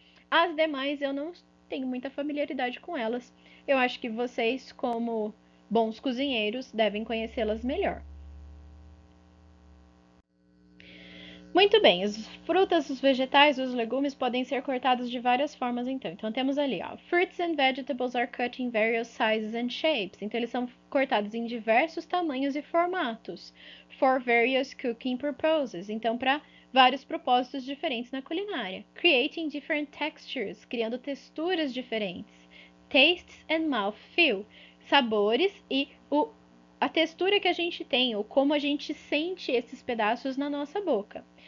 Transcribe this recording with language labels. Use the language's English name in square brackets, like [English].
[Portuguese] As demais eu não tenho muita familiaridade com elas. Eu acho que vocês, como bons cozinheiros, devem conhecê-las melhor. Muito bem, as frutas, os vegetais, os legumes podem ser cortados de várias formas, então. Então temos ali, ó, [English] fruits and vegetables are cut in various sizes and shapes. [Portuguese] Então eles são cortados em diversos tamanhos e formatos. [English] For various cooking purposes. [Portuguese] Então para vários propósitos diferentes na culinária. [English] Creating different textures, [Portuguese] criando texturas diferentes. [English] Tastes and mouthfeel, [Portuguese] sabores e a textura que a gente tem, ou como a gente sente esses pedaços na nossa boca.